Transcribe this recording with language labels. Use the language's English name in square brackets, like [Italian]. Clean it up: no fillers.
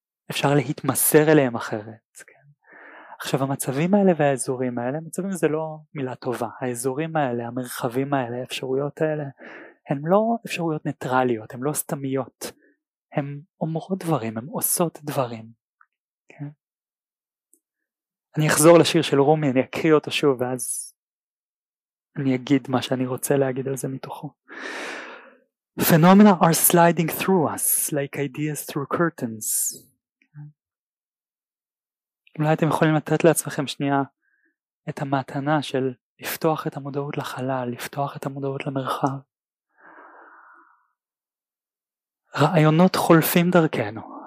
[Hebrew] אפשר להתמסר אליהם אחרת. עכשיו המצבים האלה והאזורים האלה, מצבים זה לא מילה טובה, האזורים האלה, המרחבים האלה, האפשרויות האלה, הן לא אפשרויות ניטרליות, הן לא סתמיות. הם אומרות דברים, הם עושות דברים. אני אחזור לשיר של רומי, אני אקריא אותו שוב, ואז אני אגיד מה שאני רוצה להגיד על זה מתוכו. [English] Phenomena are sliding through us, like ideas through curtains. [Hebrew] אולי אתם יכולים לתת לעצמכם שנייה את המתנה של לפתוח את המודעות לחלל, לפתוח את המודעות למרחב. רעיונות חולפים דרכנו.